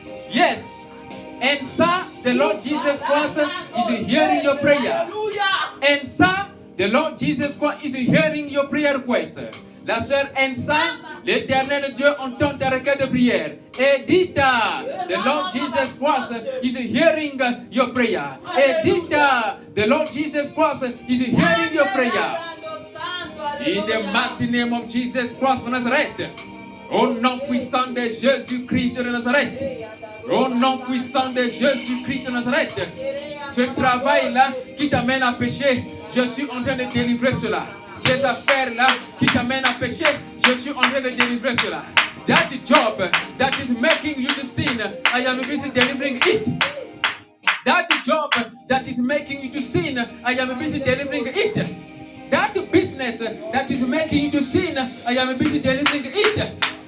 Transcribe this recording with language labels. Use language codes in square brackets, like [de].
[en] Yes, and sir, the Lord Jesus Christ is hearing your prayer. And sir, the Lord Jesus Christ is hearing your prayer request. [fr] La sœur Ensa, l'éternel Dieu entend ta requête de prière. [en] Edita, the Lord Jesus Christ is hearing your prayer. Edita, the Lord Jesus Christ is hearing your prayer. In the mighty name of Jesus Christ of Nazareth. [fr] Au nom puissant de Jésus-Christ de Nazareth. Au nom puissant de Jésus-Christ de Nazareth. ce travail-là qui t'amène à pécher, je suis en train de délivrer cela. Ces affaires-là qui t'amènent à pécher, je suis en train de délivrer cela. [en] That job that is making you to sin, I am busy delivering it. That job that is making you to sin, I am busy delivering it. That business that is making you to sin, I am busy delivering it.